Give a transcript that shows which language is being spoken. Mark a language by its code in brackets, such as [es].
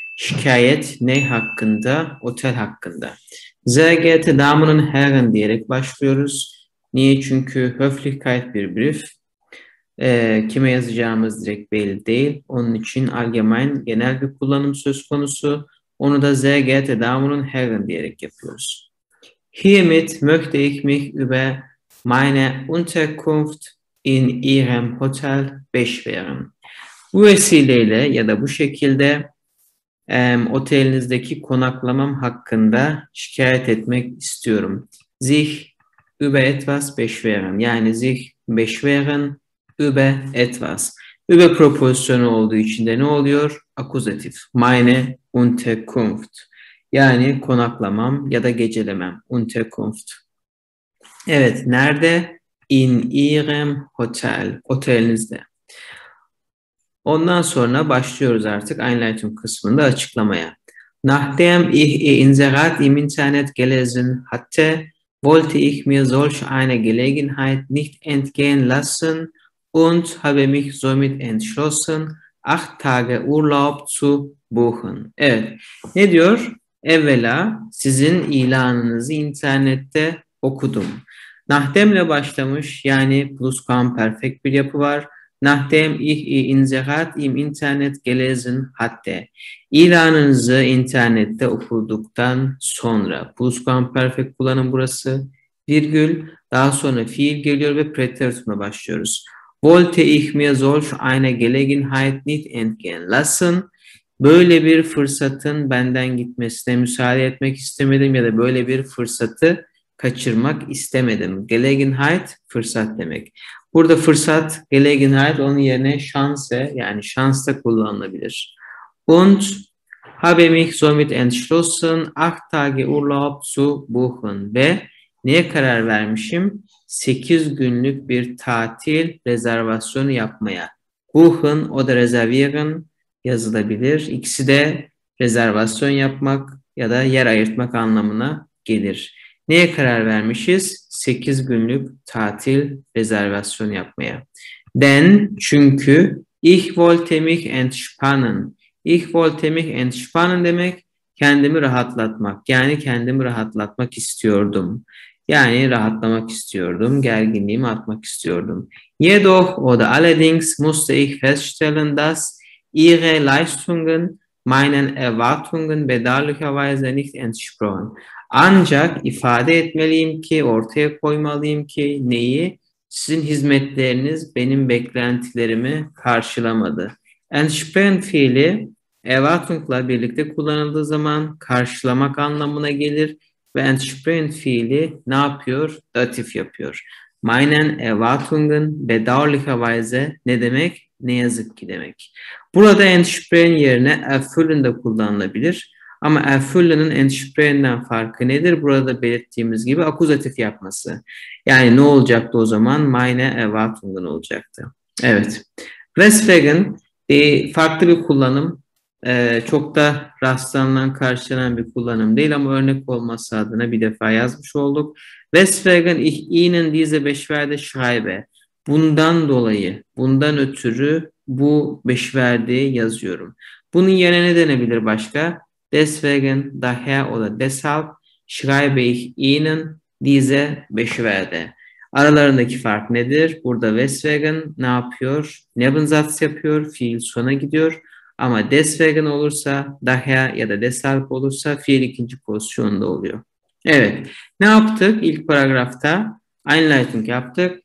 [tr] Şikayet ne hakkında? Otel hakkında. [de] Sehr geehrte Damen und Herren [tr] diyerek başlıyoruz. Niye? Çünkü Höflichkeit bir brief. Kime yazacağımız direkt belli değil. Onun için allgemein genel bir kullanım söz konusu. Onu da [de] Sehr geehrte Damen und Herren [tr] diyerek yapıyoruz. [de] Hiermit möchte ich mich über meine Unterkunft in ihrem Hotel beschweren. [tr] Bu vesileyle ya da bu şekilde otelinizdeki konaklamam hakkında şikayet etmek istiyorum. [de] Sich über etwas beschweren. Yani sich beschweren über etwas. [tr] Über propozisyonu olduğu için de ne oluyor? Akuzatif. [de] Meine Unterkunft. [tr] Yani konaklamam ya da gecelemem. Unterkunft. Evet, nerede? [de] In ihrem hotel, [tr] otelinizde. Ondan sonra başlıyoruz artık Einleitung kısmında açıklamaya. [de] Nachdem ich Inserat im Internet gelesen hatte, wollte ich mir solch eine Gelegenheit nicht entgehen lassen und habe mich somit entschlossen, 8 Tage Urlaub zu buchen. [tr] Evet, ne diyor? Evvela sizin ilanınızı internette okudum. Nachdem ile başlamış yani plusquamperfekt bir yapı var. [de] Nachdem ich Inserat im Internet gelesen hatte. [tr] İlanınızı internette okuduktan sonra plusquamperfekt kullanın burası. Virgül daha sonra fiil geliyor ve preteritum'a başlıyoruz. [de] Wollte ich mir solch eine Gelegenheit nicht entgehen lassen. [tr] Böyle bir fırsatın benden gitmesine müsaade etmek istemedim ya da böyle bir fırsatı kaçırmak istemedim. Gelegenheit fırsat demek. Burada fırsat Gelegenheit onun yerine şanse yani şans da kullanılabilir. [de] Und habe mich somit entschlossen, 8 Tage Urlaub zu buchen. [tr] Ve neye karar vermişim? 8 günlük bir tatil rezervasyonu yapmaya. Buchen o da reservieren yazılabilir. İkisi de rezervasyon yapmak ya da yer ayırtmak anlamına gelir. Neye karar vermişiz? 8 günlük tatil rezervasyon yapmaya. [de] Denn çünkü ich wollte mich entspannen. Ich wollte mich entspannen [tr] demek kendimi rahatlatmak. Yani kendimi rahatlatmak istiyordum. Yani rahatlamak istiyordum. Gerginliğimi atmak istiyordum. [de] Jedoch oder allerdings musste ich feststellen, dass ihre Leistungen meinen Erwartungen bedauerlicherweise nicht entsprochen. [tr] Ancak ifade etmeliyim ki, ortaya koymalıyım ki neyi? Sizin hizmetleriniz benim beklentilerimi karşılamadı. Entsprechen fiili Erwartung'la birlikte kullanıldığı zaman karşılamak anlamına gelir. Ve entsprechen fiili ne yapıyor? Datif yapıyor. [de] Meinen Erwartungen bedauerlicherweise [tr] ne demek? Ne yazık ki demek. Burada entsprechen yerine erfüllen de kullanılabilir. Ama erfüllen'ın entsprechen'den farkı nedir? Burada belirttiğimiz gibi akuzatif yapması. Yani ne olacaktı o zaman? [de] Meine Erwartungen [tr] olacaktı. Evet. Weswegen farklı bir kullanım. Çok da rastlanılan, karşılanan bir kullanım değil ama örnek olması adına bir defa yazmış olduk. [de] Weswegen ich Ihnen diese Beschwerde schreibe. [tr] Bundan dolayı, bundan ötürü bu Beschwerde'yi yazıyorum. Bunun yerine ne denebilir başka? [de] Deswegen, daher oder deshalb schreibe ich Ihnen diese Beschwerde. [tr] Aralarındaki fark nedir? Burada Weswegen ne yapıyor? Nebensatz yapıyor, fiil sona gidiyor. Ama deswegen olursa, daher ya da deshalb olursa fiil ikinci pozisyonda oluyor. Evet, ne yaptık? İlk paragrafta Einleitung yaptık.